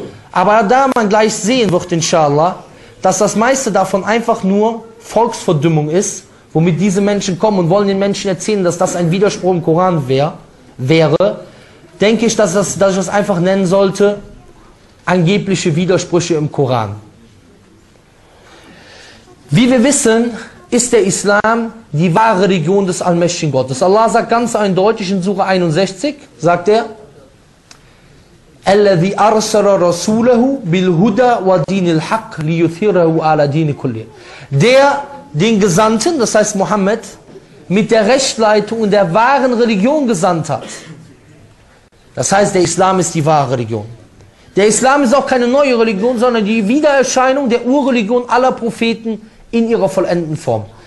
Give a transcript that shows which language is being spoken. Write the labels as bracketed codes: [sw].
[de] Aber da man gleich sehen wird, inshallah, dass das meiste davon einfach nur Volksverdümmung ist, womit diese Menschen kommen und wollen den Menschen erzählen, dass das ein Widerspruch im Koran wäre, denke ich, dass ich das einfach nennen sollte, angebliche Widersprüche im Koran. Wie wir wissen, ist der Islam die wahre Religion des Allmächtigen Gottes. Allah sagt ganz eindeutig in Sura 61, sagt er, [ar] الذي أرسل رسوله بالهدى ودين الحق ليثيره على دين كله. [de] Der den Gesandten, das heißt Mohammed, mit der Rechtleitung und der wahren Religion gesandt hat. Das heißt, der Islam ist die wahre Religion. Der Islam ist auch keine neue Religion, sondern die Wiedererscheinung der Urreligion aller Propheten in ihrer vollendeten Form.